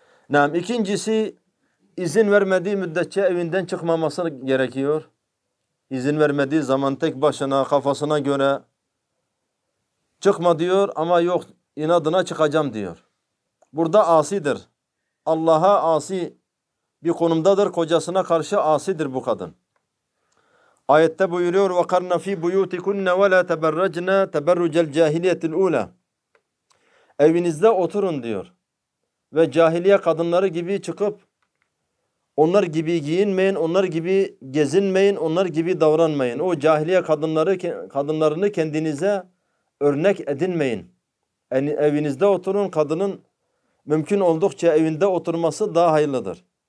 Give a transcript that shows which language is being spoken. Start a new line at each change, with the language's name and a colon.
Turkish: Naam ikincisi izin vermediği müddetçe evinden çıkmaması gerekiyor. İzin vermediği zaman tek başına kafasına göre çıkma diyor ama yok inadına çıkacağım diyor. Burada asidir. Allah'a asi bir konumdadır. Kocasına karşı asidir bu kadın. Ayette buyuruyor
Arabic: وَقَرْنَ فِي بُيُوتِكُنَّ وَلَا تَبَرَّجْنَا تَبَرُّجَ الْجَاهِلِيَةِ الْعُولَى
Turkish: evinizde oturun diyor. Ve cahiliye kadınları gibi çıkıp onlar gibi giyinmeyin, onlar gibi gezinmeyin, onlar gibi davranmayın. O cahiliye kadınlarını kendinize örnek edinmeyin. Yani evinizde oturun, kadının mümkün oldukça evinde oturması daha hayırlıdır.